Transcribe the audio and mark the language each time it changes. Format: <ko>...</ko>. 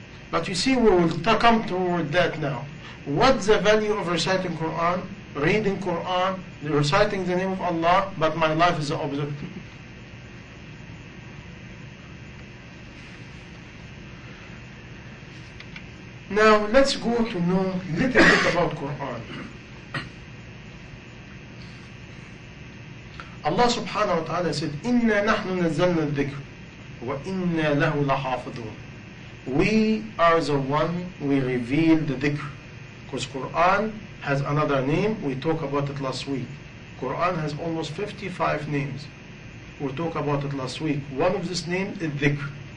<en>But you see, we will come toward that now. What's the value of reciting Quran, reading Quran, reciting the name of Allah, but my life is the opposite. Now, let's go to know a little bit about Quran. Allah subhanahu wa ta'ala said,</en> <ar>إِنَّا نَحْنُ نَزَّلْنَا الذِّكْرُ وَإِنَّا لَهُ لَحَافِظُونَ.</ar> <en>We are the one, we reveal the dhikr. Because Quran has another name, we talked about it last week. Quran has almost 55 names. We talked about it last week. One of these names is dhikr.</en>